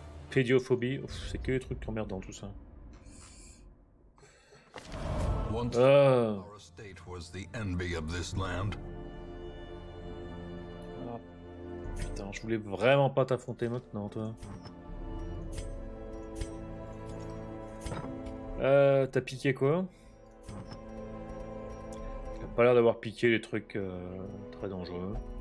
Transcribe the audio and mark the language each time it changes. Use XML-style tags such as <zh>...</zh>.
<fr>Pédiophobie, ouf, c'est que les trucs emmerdants tout ça.</fr> <en>Our estate was the envy of this land. Ah.</en> <fr>Putain, je voulais vraiment pas t'affronter maintenant, toi. T'as piqué quoi? T'as pas l'air d'avoir piqué les trucs très dangereux.</fr>